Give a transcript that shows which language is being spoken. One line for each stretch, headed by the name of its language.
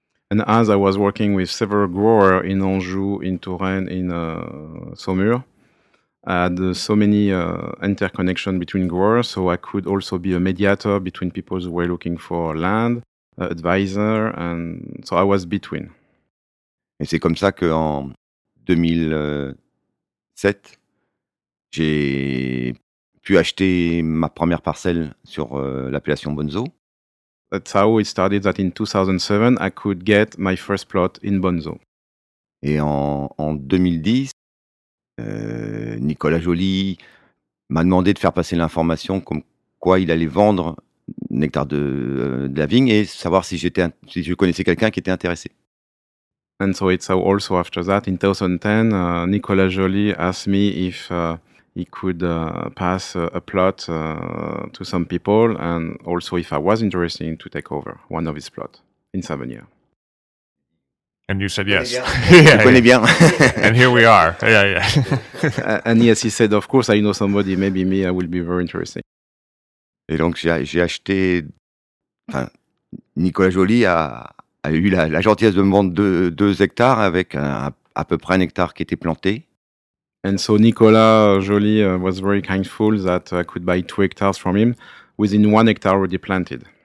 English: And as I was working with several growers in Anjou, in Touraine, in Saumur, I had so many interconnection between growers, so I could also be a mediator between people who were looking for land, advisor, and so I was between.
French: Et c'est comme ça qu'en 2007, j'ai pu acheter ma première parcelle sur l'appellation Bonzo.
English: That's how it started that in 2007, I could get my first plot in Bonzo.
French: Et en 2010, Nicolas Joly m'a demandé de faire passer l'information comme quoi il allait vendre un hectare de la vigne et savoir si je connaissais quelqu'un qui était intéressé.
English: And so it's how also after that, in 2010, Nicolas Joly asked me if... He could pass a plot to some people, and also if I was interested to take over one of his plots in Savenir. And you said yes.
French: Tu connais bien.
English: And here we are. Yeah, yeah. And yes, he said, of course, I know somebody, maybe me, I will be very interested.
French: Et donc j'ai acheté. Enfin, Nicolas Joly a eu la gentillesse de me vendre deux hectares avec à peu près un hectare qui était planté.
English: And so Nicolas Joly was very kindful that I could buy 2 hectares from him within 1 hectare already planted.